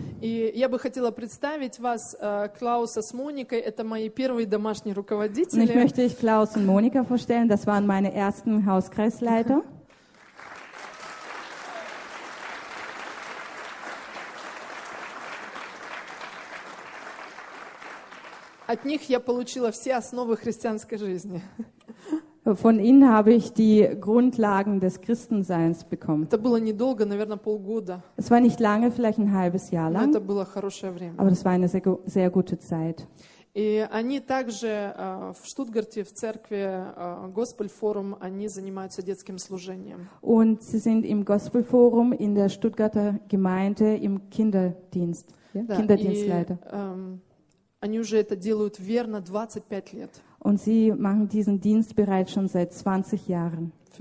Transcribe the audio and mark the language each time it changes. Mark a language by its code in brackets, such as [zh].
[ru] И я бы хотела представить вас Клауса с Моникой. Это мои первые домашние руководители. [de] Und ich möchte euch Klaus und Monika vorstellen. Das waren meine ersten Hauskreisleiter. [ru] От них я получила все основы христианской жизни. [de] Von ihnen habe ich die Grundlagen des Christenseins bekommen. [ru] Это было недолго, наверное, полгода. [de] Es war nicht lange, vielleicht ein halbes Jahr lang. [ru] Но это было хорошее время. [de] Aber das war eine sehr, sehr gute Zeit. [ru] И они также в Штутгарте, в церкви Gospel Forum, они занимаются детским служением. [de] Und sie sind im Gospel Forum in der Stuttgarter Gemeinde im Kinderdienst. Ja? [ru] Да, [de] Kinderdienstleiter. [ru] И, они уже это делают верно 25 лет. [de] Und sie machen diesen Dienst bereits schon seit 20 Jahren.